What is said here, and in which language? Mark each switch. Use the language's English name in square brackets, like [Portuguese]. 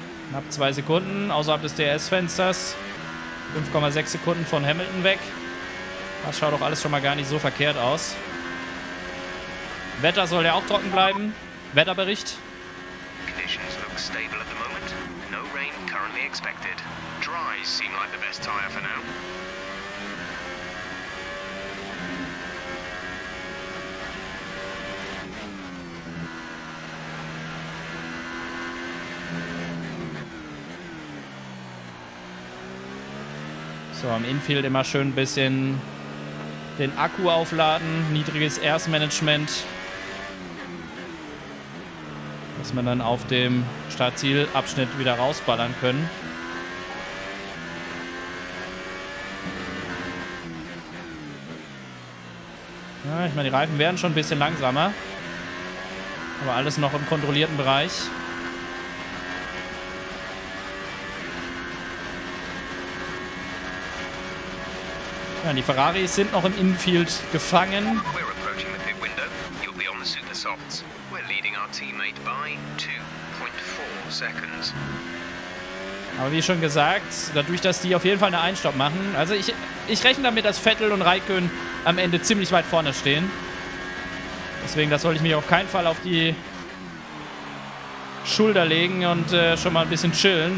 [German] Knapp 2 Sekunden außerhalb des DRS-Fensters. 5,6 Sekunden von Hamilton weg. Das schaut doch alles schon mal gar nicht so verkehrt aus. Wetter soll ja auch trocken bleiben. Wetterbericht. [English] Conditions look stable at the moment. No rain currently expected. Dry seem like the best tire for now. [German] So, am Infield immer schön ein bisschen den Akku aufladen. Niedriges Erstmanagement. Dass man dann auf dem Startzielabschnitt wieder rausballern können. Ja, ich meine, die Reifen werden schon ein bisschen langsamer. Aber alles noch im kontrollierten Bereich. Ja, die Ferraris sind noch im Infield gefangen. [English] We're approaching the pit window. You'll be on the super softs. We're leading our teammate by 2.4 seconds. [German] Aber wie schon gesagt, dadurch, dass die auf jeden Fall eine Einstopp machen. Also ich rechne damit, dass Vettel und Raikön am Ende ziemlich weit vorne stehen. Deswegen, das soll ich mich auf keinen Fall auf die Schulter legen und schon mal ein bisschen chillen.